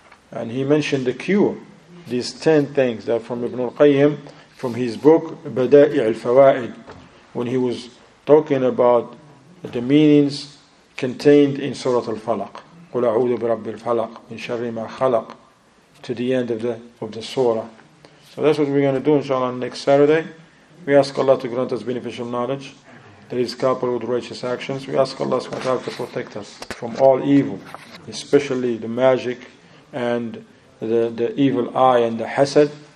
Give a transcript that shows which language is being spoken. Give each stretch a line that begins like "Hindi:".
English: And he mentioned the cure, these 10 things that from Ibn al-Qayyim, from his book, Bada'i' al-Fawa'id, when he was talking about the meanings contained in Surah Al-Falaq.
Arabic: قُلْ أَعُوذُ بِرَبِّ الْفَلَقِ مِنْ شَرِّ مَا خَلَقَ,
English: to the end of the surah. So that's what we're going to do, inshallah, next Saturday. We ask Allah to grant us beneficial knowledge that is coupled with righteous actions. We ask Allah subhanahu wa ta'ala to protect us from all evil, especially the magic and the evil eye and the hasad.